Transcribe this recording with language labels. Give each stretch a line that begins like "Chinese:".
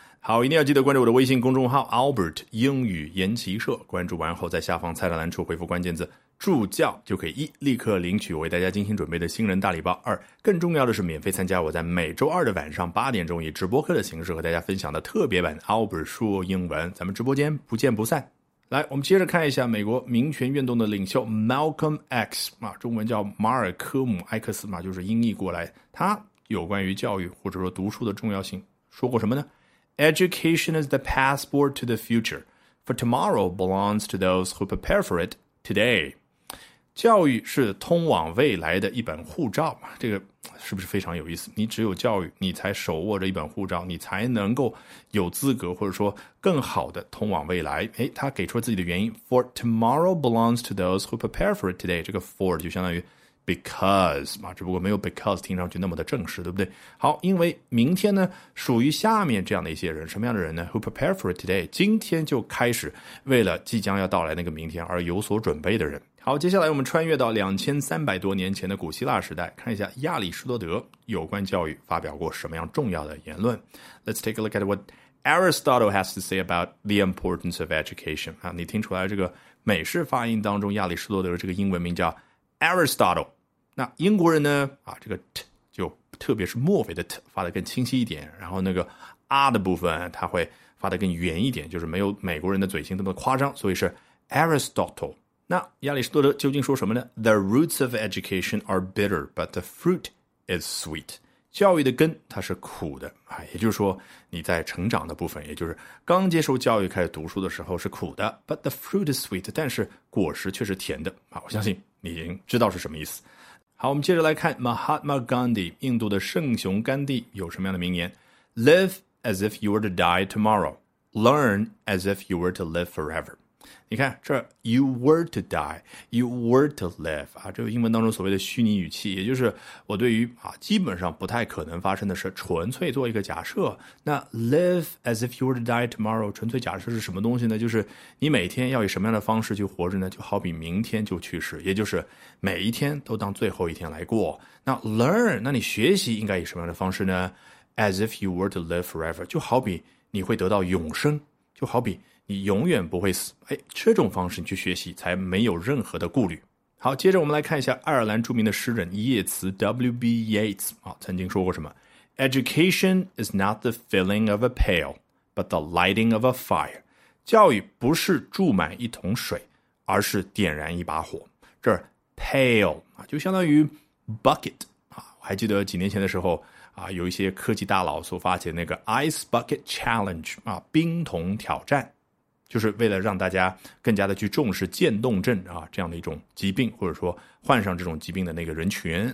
Chinese: 好，一定要记得关注我的微信公众号 Albert 英语研习社，关注完后在下方菜单栏处回复关键字助教，就可以一立刻领取为大家精心准备的新人大礼包，二更重要的是免费参加我在每周二的晚上八点钟以直播课的形式和大家分享的特别版 Albert 说英文，咱们直播间不见不散。来，我们接着看一下美国民权运动的领袖 Malcolm X 嘛，中文叫马尔科姆·艾克斯嘛，就是音译过来，他有关于教育或者说读书的重要性说过什么呢？
English: Education is the passport to the future, for tomorrow belongs to those who prepare for itToday,
Chinese: 教育是通往未来的一本护照，这个是不是非常有意思？你只有教育，你才手握着一本护照，你才能够有资格或者说更好的通往未来。哎，他给出了自己的原因 ,
English: for tomorrow belongs to those who prepare for it today,
Chinese: 这个 for 就相当于 because, 嘛，只不过没有 because 听上去那么的正式，对不对？好，因为明天呢属于下面这样的一些人，什么样的人呢？
English: Who prepare for it today,
Chinese: 今天就开始为了即将要到来那个明天而有所准备的人。好，接下来我们穿越到2300多年前的古希腊时代，看一下亚里士多德有关教育发表过什么样重要的言论。
English: Let's take a look at what Aristotle has to say about the importance of education.
Chinese: 啊，你听出来这个美式发音当中亚里士多德这个英文名叫Aristotle, 那英国人呢啊，这个 t 就特别是墨菲的 t 发得更清晰一点，然后那个 r 的部分它会发得更圆一点，就是没有美国人的嘴型那么夸张，所以是 Aristotle。那亚里士多德究竟说什么呢？
English: The roots of education are bitter, but the fruit is sweet.
Chinese: 教育的根它是苦的啊，也就是说你在成长的部分，也就是刚接受教育开始读书的时候是苦的，
English: but the fruit is sweet,
Chinese: 但是果实却是甜的啊，我相信你已经知道是什么意思。好，我们接着来看 Mahatma Gandhi, 印度的圣雄甘地有什么样的名言。
English: Live as if you were to die tomorrow. Learn as if you were to live forever.
Chinese: 你看这
English: you were to die, you were to live,
Chinese: 啊，这个英文当中所谓的虚拟语气，也就是我对于啊基本上不太可能发生的事纯粹做一个假设。那
English: live as if you were to die tomorrow,
Chinese: 纯粹假设是什么东西呢？就是你每天要以什么样的方式去活着呢？就好比明天就去世，也就是每一天都当最后一天来过。那 learn, 那你学习应该以什么样的方式呢？
English: As if you were to live forever,
Chinese: 就好比你会得到永生，就好比你永远不会死，哎，这种方式你去学习才没有任何的顾虑。好，接着我们来看一下爱尔兰著名的诗人叶茨 W.B. Yeats、啊、曾经说过什么。
English: Education is not the filling of a pail, but the lighting of a fire.
Chinese: 教育不是注满一桶水，而是点燃一把火。这 pail、啊、就相当于 bucket、啊、我还记得几年前的时候啊，有一些科技大佬所发起的那个 Ice Bucket Challenge、啊、冰桶挑战，就是为了让大家更加的去重视渐冻症啊这样的一种疾病，或者说患上这种疾病的那个人群。